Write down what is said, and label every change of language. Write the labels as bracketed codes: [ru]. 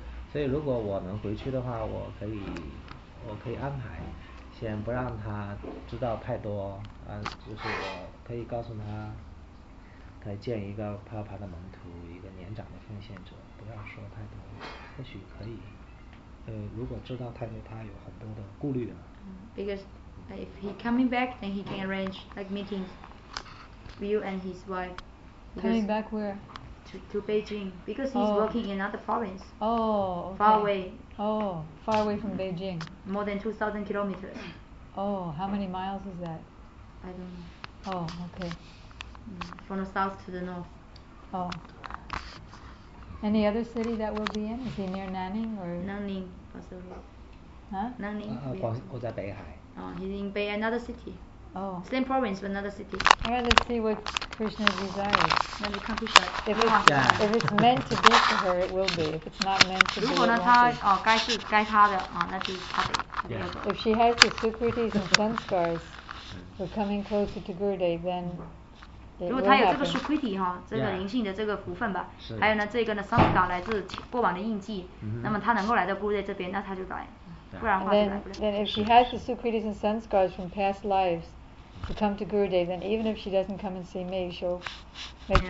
[zh] 所以如果我能回去的话，我可以安排，先不让他知道太多，就是我可以告诉他。再见一个帕帕的门徒，一个年长的奉献者，不要说太多，或许可以。如果知道太多，他有很多的顾虑啊。 [en] Because if he coming back, then he can arrange like meetings, you and his wife. Coming back where? To Beijing, because he's working in another province. Oh. Okay. Far away. Oh, far away from Beijing. More than 2,000 kilometers. Oh, how many miles is that? I don't know. Oh, okay. From the south to the north. Oh. Any other city that we'll be in? Is he near Nanning or? Nanning, possibly. Huh? Nanning. He's in Beihai. Oh, he's in Bei, another city. Oh. Same province, but another city. All right, let's see what Krishna desires. Let me come to Shai. If it's meant to be for her, it will be. If it's not meant to be, it won't be. [zh] 如果呢，他哦，该他的啊，那就他的。 [en] If she has the Sukritis and Sanskars, we're coming closer to Gurudev, then. [zh] 如果他有这个 Sukriti 哈，这个灵性的这个福分吧， [en] yeah. [zh] 还有呢，这个呢 Sanska 来自过往的印记， mm-hmm. 那么他能够来到 Gurudev 这边，那他就来， [en] yeah. [zh] 不然的话就来不了。 [en] Then if she has the Sukritis and Sanskars from past lives to come to Gurudev, then even if she doesn't come and see me, she'll make、